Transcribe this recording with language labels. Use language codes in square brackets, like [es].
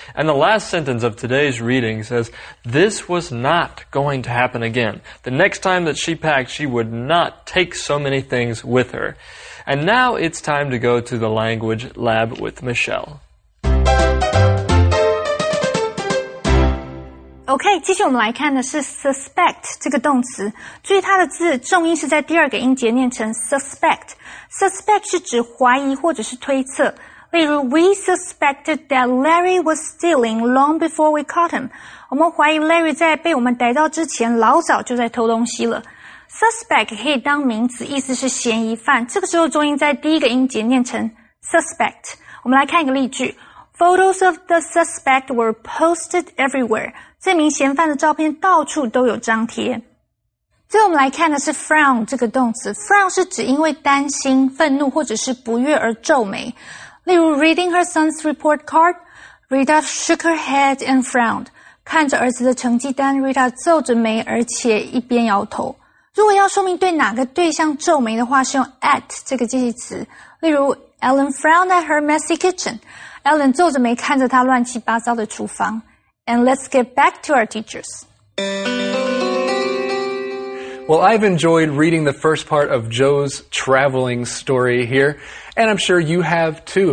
[en] And the last sentence of today's reading says, this was not going to happen again. The next time that she packed, she would not take so many things with her. And now it's time to go to the language lab with Michelle. [zh] Okay, 接下来我们来看的是 suspect 这个动词。注意它的字重音是在第二个音节念成 suspect。 Suspect 是指怀疑或者是推测。例如 [en] ,we suspected that Larry was stealing long before we caught him. [zh] 我们怀疑 Larry 在被我们逮到之前老早就在偷东西了。 Suspect 可以当名词意思是嫌疑犯。这个时候重音在第一个音节念成 suspect。我们来看一个例句。 [en] Photos of the suspect were posted everywhere. [zh] 这名嫌犯的照片到处都有张贴。最后我们来看的是 frown 这个动词。 frown 是指因为担心、愤怒或者是不悦而皱眉。例如 [en] reading her son's report card, Rita shook her head and frowned. [zh] 看着儿子的成绩单 ,Rita 皱着眉而且一边摇头。如果要说明对哪个对象皱眉的话是用 at 这个介系词。 [en] 例如 Ellen frowned at her messy kitchen. [zh] Ellen 皱着眉看着她乱七八糟的厨房。 [en] And let's get back to our teachers. Well, I've enjoyed reading the first part of Joe's traveling story here, and I'm sure you have too.